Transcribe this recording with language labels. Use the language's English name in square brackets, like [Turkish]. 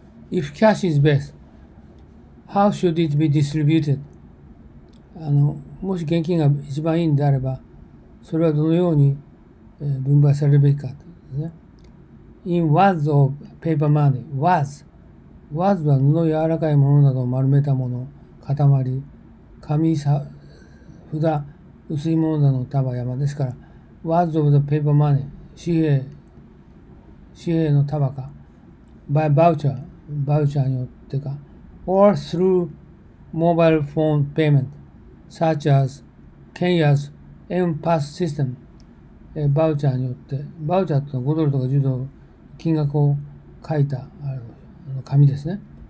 [English] If cash is best, how should it be distributed? [Japanese] もし現金が一番いいんであれば、それはどのように分配されるべきかというですね。 [English] In wads of paper money, wads. [Japanese] Wads は布の柔らかいものなどを丸めたもの、塊、紙、札、薄いものなどの束、山ですから、 [English] wads of the paper money, [Japanese] 紙幣の束か、 [English] by voucher, [Japanese] バウチャーによってか、 [English] or through mobile phone payment, such as Kenya's M-Pass system, [Japanese] バウチャーによって、バウチャーというのは5ドルとか10ドル、金額を書いた紙ですね。